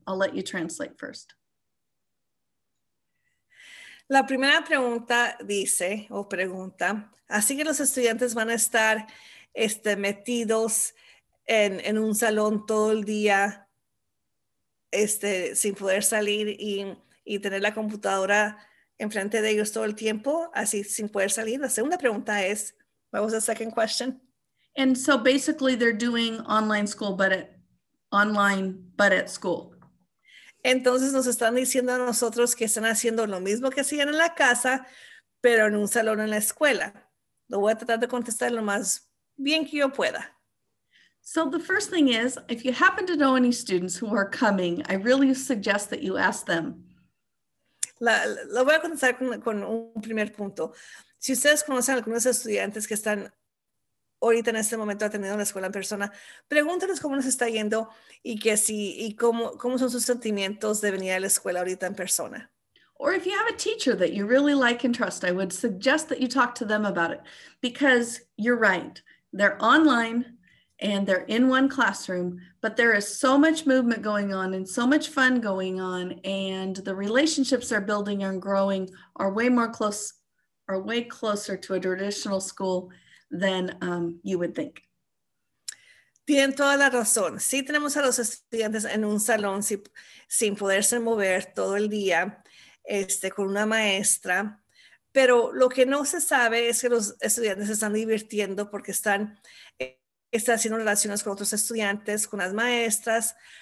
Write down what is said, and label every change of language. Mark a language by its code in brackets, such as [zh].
[en] I'll let you translate first. [es] La primera pregunta dice, o pregunta, así que los estudiantes van a estar metidos en un salón todo el día, sin poder salir y tener la computadora enfrente de ellos todo el tiempo, así sin poder salir. La segunda pregunta es, [en] what was the second question? And so basically they're doing online but at school. [es] Entonces nos están diciendo a nosotros que están haciendo lo mismo que hacían en la casa, pero en un salón en la escuela. Lo voy a tratar de contestar lo más bien que yo pueda. [en] So the first thing is, if you happen to know any students who are coming, I really suggest that you ask them. [es] Lo voy a contestar con un primer punto. Si ustedes conocen a algunos estudiantes que están ahorita en este momento atendiendo la escuela en persona, pregúntenles cómo nos está yendo y cómo son sus sentimientos de venir a la escuela ahorita en persona. [en] Or if you have a teacher that you really like and trust, I would suggest that you talk to them about it. Because you're right, they're online, and they're in one classroom, but there is so much movement going on and so much fun going on, and the relationships they're building and growing are way closer to a traditional school than you would think. [es] Tienen toda la razón. Sí, tenemos a los estudiantes en un salón sin poderse mover todo el día, con una maestra, pero lo que no se sabe es que los estudiantes se están divirtiendo porque están está haciendo relaciones con otros estudiantes, con las maestras.